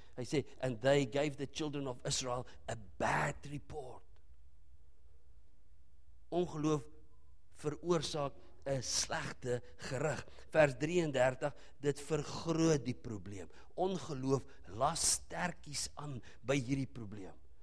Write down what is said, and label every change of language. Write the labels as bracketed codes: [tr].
[af] Hy sê, [en] and they gave the children of Israel a bad report. [af] Ongeloof veroorsaak 'n slegte gerug. Vers 33, dit vergroot die probleem. Ongeloof las sterkies aan by hierdie probleem.